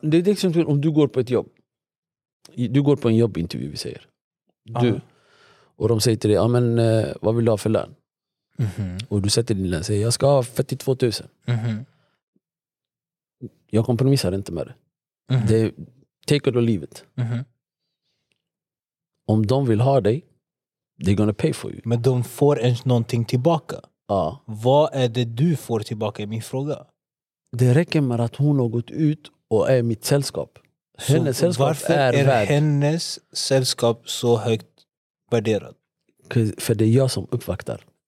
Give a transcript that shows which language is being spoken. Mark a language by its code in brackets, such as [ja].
[sv] Det är till exempel om du går på ett jobb. Du går på en jobbintervju, vi säger. Du. Aha. Och de säger till dig, men vad vill du ha för lön? Mm-hmm. Och du sätter din lön och säger, jag ska ha 42 000. Mm-hmm. Jag kompromissar inte med det. Mm-hmm. Det är [en] take it or leave it. Mm-hmm. [sv] Om de vill ha dig, [en] they're gonna pay for you. [sv] Men de får ens någonting tillbaka. Ja. Vad är det du får tillbaka i min fråga? Det räcker med att hon har gått ut och är mitt sällskap. Hennes sällskap varför är värd. Hennes sällskap så högt värderad? För det är jag som uppvaktar.